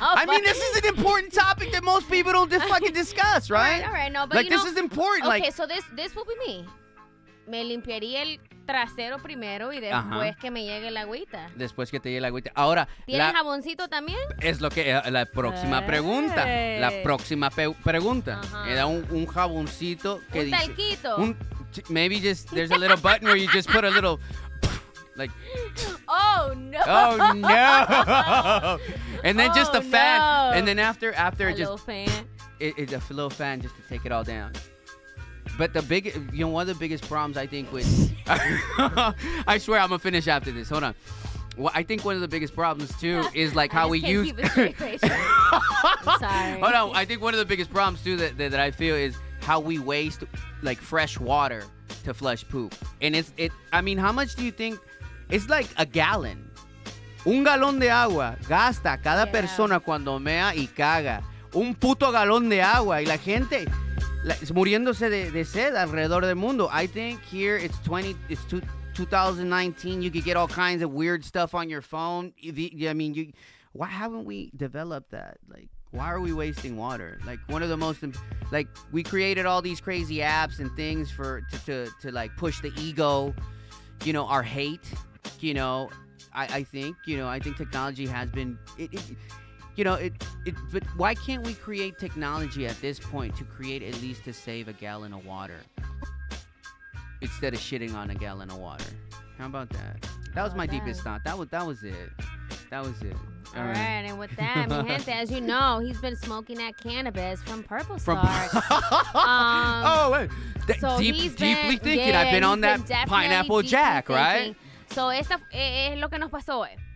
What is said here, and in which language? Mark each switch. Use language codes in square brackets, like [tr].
[en] I mean, this is an important topic that most people don't fucking discuss, right? All right. No, but like, you know, this is important. Okay, like, so this will be me. [es] Me limpiaría el trasero primero y después que me llegue la agüita. Después que te llegue la agüita. Ahora. ¿Tienes jaboncito también? Es lo que la próxima pregunta. La próxima pregunta. Uh-huh. Era un jaboncito que un dice. Talquito. [en] Maybe just there's a little button where you just put a little. Like, oh no, and then oh, just a fan, no. And then after a just little fan. It's a little fan just to take it all down. But the big, you know, one of the biggest problems I think with, I swear I'm gonna finish after this. Hold on, well, I think one of the biggest problems too is like how I just we use. I'm sorry. Hold on, I think one of the biggest problems too that I feel is how we waste like fresh water to flush poop, and it's. I mean, how much do you think? It's like a gallon. [es] Un galón de agua gasta cada persona cuando mea y caga. Un puto galón de agua. Y la gente es muriéndose de sed alrededor del mundo. [en] I think here it's 2019. You could get all kinds of weird stuff on your phone. Why haven't we developed that? Like, why are we wasting water? Like, one of the most, like, we created all these crazy apps and things to like push the ego, you know, our hate. You know, I think technology has been, but why can't we create technology at this point to create at least to save a gallon of water instead of shitting on a gallon of water? How about that? That was my deepest thought. That was it. All right, and with that, [es] mi gente, [en] as you know, he's been smoking that cannabis from Purple Star. oh, wait. Deeply thinking. Yeah, I've been on that been pineapple jack, thinking. Right? [es] So, esta es lo que nos pasó hoy.